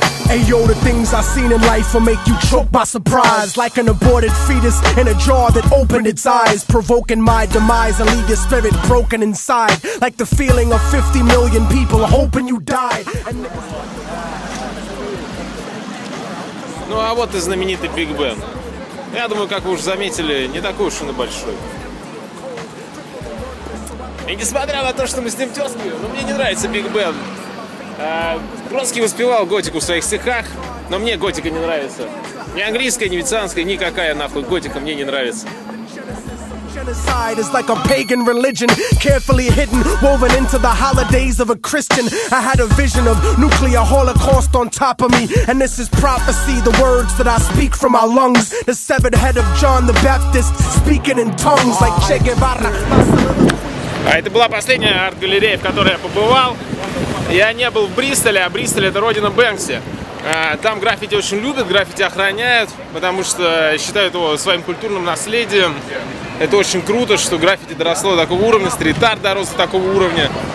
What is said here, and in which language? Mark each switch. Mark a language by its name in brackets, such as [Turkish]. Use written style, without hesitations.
[English] Ayo, the things I've seen in life will make you choke by surprise. Like an aborted fetus in a jar that opened its eyes. Provoking my demise and leave your spirit broken inside. Like the feeling of 50 million people hoping you die. [Russian] Ну а вот и знаменитый Биг Бен. Я думаю, как вы уже заметили, не такой уж он и большой. И несмотря на то, что мы с ним тёзки, но мне не нравится Биг Бен. Бродский воспевал готику в своих стихах, но мне готика не нравится. Ни английская, ни венецианская, никакая нахуй готика мне не нравится. [English] Genocide is like a pagan religion, carefully hidden, woven into the holidays of a Christian. I had a vision of nuclear holocaust on top of me, and this is prophecy, the words that I speak from my lungs. The severed head of John the Baptist, speaking in tongues like Che Guevara. [Russian] А это была последняя арт-галерея, в которой я побывал. Я не был в Бристоле, а Бристоль — это родина Бэнкси. Там граффити очень любят, граффити охраняют, потому что считают его своим культурным наследием. Это очень круто, что граффити доросло до такого уровня, стрит-арт дорос до такого уровня.